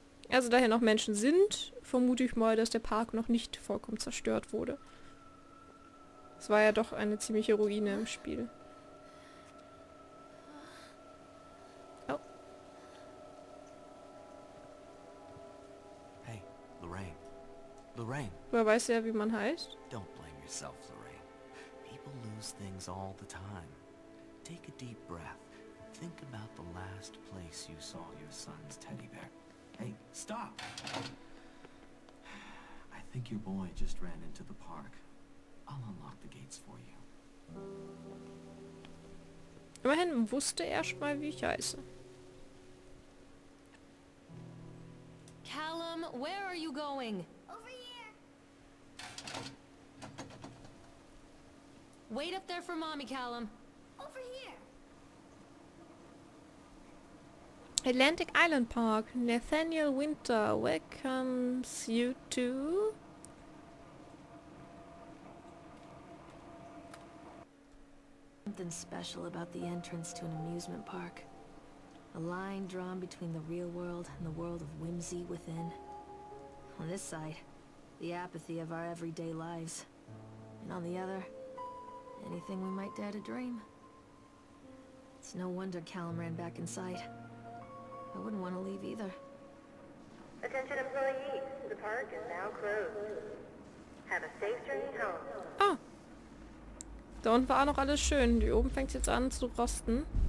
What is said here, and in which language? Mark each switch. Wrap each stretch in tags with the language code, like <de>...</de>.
<de>Also da hier noch Menschen sind, vermute ich mal, dass der Park noch nicht vollkommen zerstört wurde. Es war ja doch eine ziemliche Ruine im Spiel. Oh.</de> <en>Hey, Lorraine. Lorraine.</en> <de>Woher weißt du ja, wie man heißt?</de> <en>Don't blame yourself, Lorraine. People lose things all the time. Take a deep breath. Think about the last place you saw your son's teddy bear. Hey, stop! I think your boy just ran into the park. I'll unlock the gates for you.</en> <de>Immerhin wusste er schon mal, wie ich heiße.</de> <en>Callum, where are you going? Over here! Wait up there for Mommy, Callum. Over here! Atlantic Island Park. Nathaniel Winter welcomes you to... Something special about the entrance to an amusement park. A line drawn between the real world and the world of whimsy within. On this side, the apathy of our everyday lives. And on the other, anything we might dare to dream. It's no wonder Callum ran back inside. I wouldn't want to leave either. Attention employees, the park is now closed. Have a safe journey home. Ah.</en> <de>Da unten war noch alles schön. Die oben fängt jetzt an zu rosten.</de>